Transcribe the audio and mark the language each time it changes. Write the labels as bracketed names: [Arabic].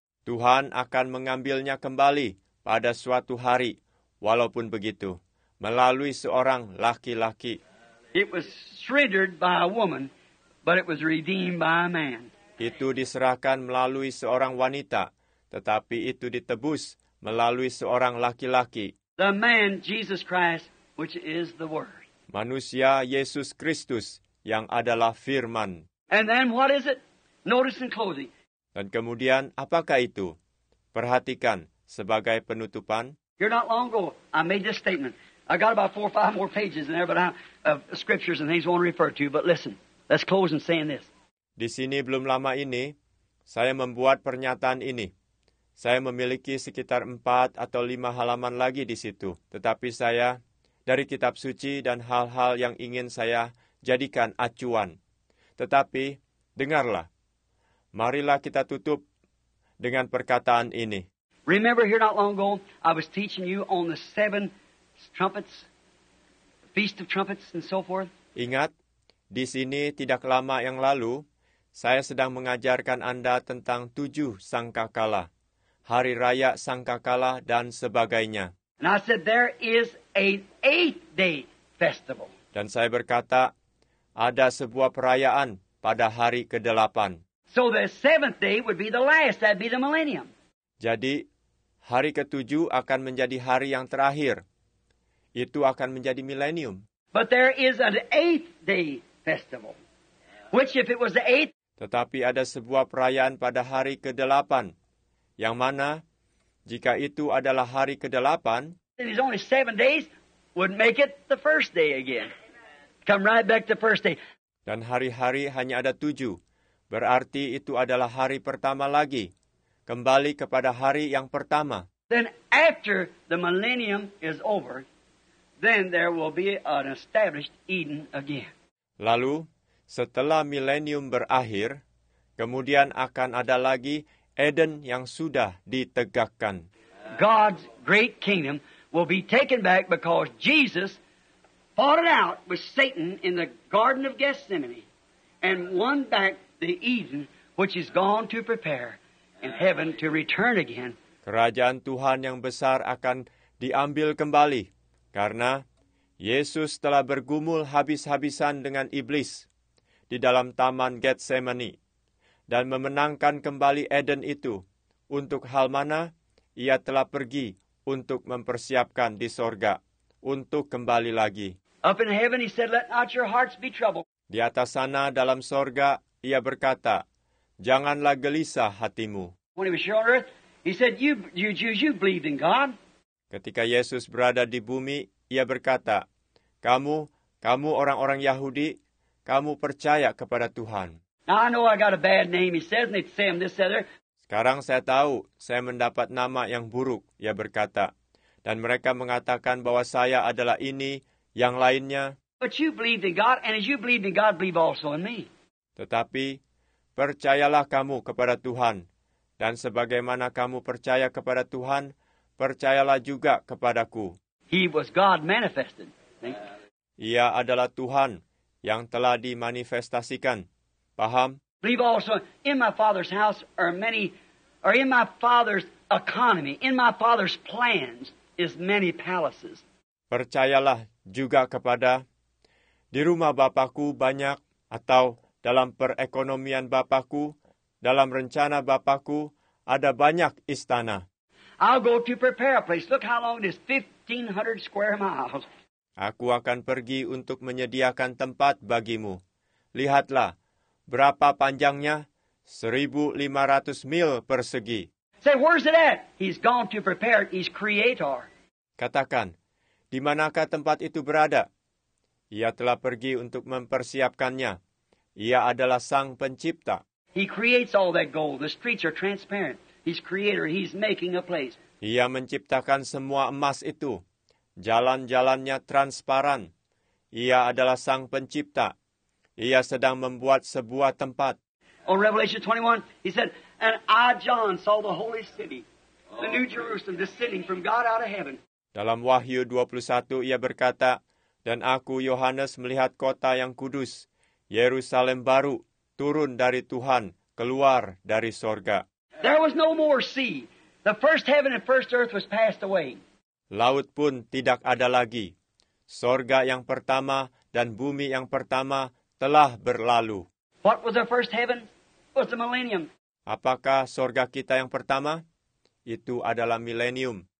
[Indonesian] Tuhan akan mengambilnya kembali pada suatu hari, walaupun begitu, melalui seorang laki-laki. [English] It was surrendered by a woman, but it was redeemed by a man. [Indonesian] Itu diserahkan melalui seorang wanita, tetapi itu ditebus melalui seorang laki-laki. [English] The man Jesus Christ, which is the Word. [Indonesian] Manusia Yesus Kristus yang adalah Firman. [English] And then what is it? Notice in closing. [Indonesian] Dan kemudian apakah itu? Perhatikan sebagai penutupan. [English] Here not long ago, I made this statement. I got about 4 or 5 more pages in there, but of scriptures and things I want to refer to. But listen, let's close in saying this. [Indonesian] Di sini belum lama ini, saya membuat pernyataan ini. Saya memiliki sekitar 4 atau 5 halaman lagi di situ. Tetapi saya, dari kitab suci dan hal-hal yang ingin saya jadikan acuan. Tetapi, dengarlah. Marilah kita tutup dengan perkataan ini. [English] Remember here not long ago, I was teaching you on the 7 trumpets, feast of trumpets, and so forth. [Indonesian] Ingat, di sini tidak lama yang lalu, saya sedang mengajarkan Anda tentang 7 sangkakala, hari raya sangkakala dan sebagainya. [English] And I said there is an 8-day festival. [Indonesian] Dan saya berkata ada sebuah perayaan pada hari ke-8. [English] So the 7th day would be the last, that'd be the millennium. [Indonesian] Jadi hari ke-7 akan menjadi hari yang terakhir. Itu akan menjadi milenium. [English] But there is an 8-day festival. Which if it was the 8th. [Indonesian] Tetapi ada sebuah perayaan pada hari ke-8. Yang mana jika itu adalah hari ke-8, [English] it is only 7 days would make it the first day again. Come right back to first day. [Indonesian] Dan hari-hari hanya ada 7. Berarti itu adalah hari pertama lagi. Kembali kepada hari yang pertama. [English] Then after the millennium is over, then there will be an established Eden again. [Indonesian] Lalu setelah milenium berakhir, kemudian akan ada lagi Eden yang sudah ditegakkan. [English] God's great kingdom will be taken back because Jesus fought it out with Satan in the Garden of Gethsemane and won back the Eden which is gone to prepare in heaven to return again. [Indonesian] Kerajaan Tuhan yang besar akan diambil kembali karena Yesus telah bergumul habis-habisan dengan iblis di dalam Taman Getsemani, dan memenangkan kembali Eden itu. Untuk hal mana? Ia telah pergi untuk mempersiapkan di sorga, untuk kembali lagi. [English] Up in heaven, he said, let not your hearts be troubled. [Indonesian] Di atas sana, dalam sorga, ia berkata, janganlah gelisah hatimu. [English] When he was here on earth, he said, you believed in God. [Indonesian] Ketika Yesus berada di bumi, ia berkata, kamu orang-orang Yahudi, kamu percaya kepada Tuhan. [English] Now I know I got a bad name, he says, and it's Sam this other. [Indonesian] Sekarang saya tahu, saya mendapat nama yang buruk, ia berkata. Dan mereka mengatakan bahwa saya adalah ini, yang lainnya. [English] But you believe in God, and as you believe in God, believe also in me. [Indonesian] Tetapi, percayalah kamu kepada Tuhan. Dan sebagaimana kamu percaya kepada Tuhan, percayalah juga kepadaku. [English] He was God manifested. [Indonesian] Ia adalah Tuhan yang telah dimanifestasikan. Paham? [English] Believe also in my father's house are in my father's economy, in my father's plans is many palaces. [Indonesian] Percayalah juga kepada di rumah bapakku banyak, atau dalam perekonomian bapakku, dalam rencana bapakku ada banyak istana. [English] I'll go to prepare a place. Look how long it is, 1500 square miles. [Indonesian] Aku akan pergi untuk menyediakan tempat bagimu. Lihatlah, berapa panjangnya? 1500 mil persegi. [English] Say, where's it at? He's gone to prepare it. He's creator. [Indonesian] Katakan, di manakah tempat itu berada? Ia telah pergi untuk mempersiapkannya. Ia adalah sang pencipta. [English] He creates all that gold. The streets are transparent. He's creator. He's making a place. [Indonesian] Ia menciptakan semua emas itu. Jalan-jalannya transparan. Ia adalah sang pencipta. Ia sedang membuat sebuah tempat. [English] On Revelation 21, he said, and I, John, saw the holy city, the new Jerusalem, descending from God out of heaven. [Indonesian] Dalam Wahyu 21, ia berkata, dan aku, Yohanes, melihat kota yang kudus, Yerusalem baru, turun dari Tuhan, keluar dari sorga. [English] There was no more sea. The first heaven and first earth was passed away. [Indonesian] Laut pun tidak ada lagi. Sorga yang pertama dan bumi yang pertama telah berlalu. [English] What was the first heaven? It was the millennium. [Indonesian] Apakah sorga kita yang pertama? Itu adalah milenium.